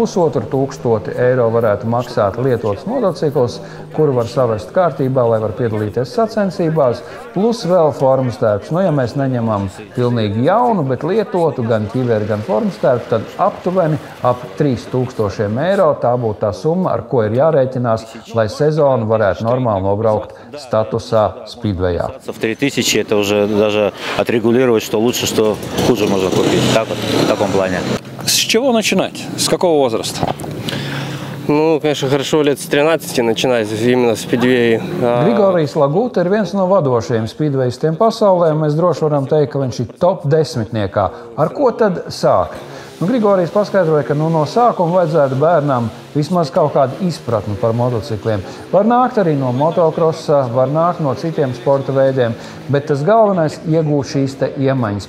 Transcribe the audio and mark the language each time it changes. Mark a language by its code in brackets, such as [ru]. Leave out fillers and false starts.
[lv] 1,5 tūkstoši eiro varētu maksāt lietots motocikls, kuru var savest kārtībā, lai var piedalīties sacensībās, plus vēl formstērps. Nu, ja mēs neņemam pilnīgi jaunu, bet lietotu gan ķiveri, gan formstērpu, tad aptuveni ap 3 000 eiro tā būtu tā summa, ar ko ir jārēķinās, lai sezonu varētu normāli nobraukt statusā Speedwayā. [ru] 3 000 to уже даже отрегулировать, что лучше, что хуже можно купить. Так вот, в таком плане. С чего начинать? С какого возраста? Ну, конечно, хорошо лет с 13 начинать именно с спидвей. [lv] Григорий Лагута ir viens no vadošajiem speedwayistiem pasaulē, mēs droši varam teikt, ka viņš ir top 10-niekā. Ar ko tad sāk? Nu, Grigorijs paskaidroja, ka no sākuma vajadzētu bērnam vismaz kaut kādu izpratni par motocikliem. Var nākt arī no motokrosa, var nākt no citiem sporta veidiem, bet tas galvenais iegūt šīs te iemaņas.